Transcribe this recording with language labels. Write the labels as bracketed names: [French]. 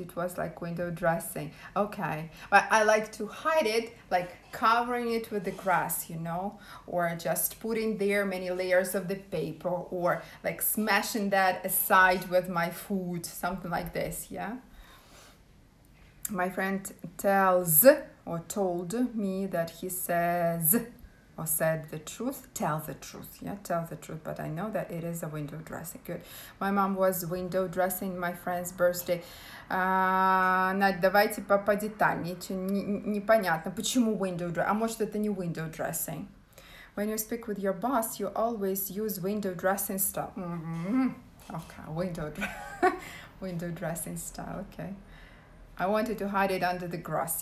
[English] It was like window dressing. Okay. But I like to hide it, like covering it with the grass, you know, or just putting there many layers of the paper, or like smashing that aside with my food, something like this, yeah? My friend tells or told me that he says or said the truth. Tell the truth. But I know that it is a window dressing. Good. My mom was window dressing my friend's birthday. [Russian] Надь, давайте поподетальнее. Непонятно, почему window dressing. А может, это не window dressing. [English] When you speak with your boss, you always use window dressing style. Okay, window dressing style, okay. I wanted to hide it under the grass.